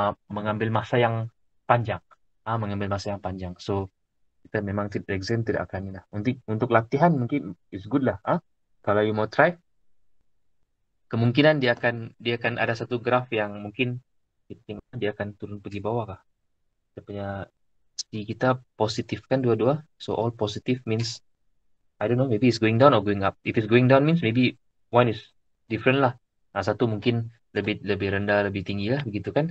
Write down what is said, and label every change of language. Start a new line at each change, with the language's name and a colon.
Malay: Mengambil masa yang panjang. Mengambil masa yang panjang. So, kita memang tidak exam tidak akan ni lah. Untuk latihan mungkin
English: is good
Malay: lah. Kalau you mau try, kemungkinan dia akan ada satu graf yang mungkin dia akan turun pergi bawah kah. Kita punya di kita positif kan dua-dua.
English: So all positive means I don't know, maybe it's going down or going up. If it's going down means maybe one is different lah.
Malay: Nah, satu mungkin lebih lebih rendah, lebih tinggi lah begitu kan.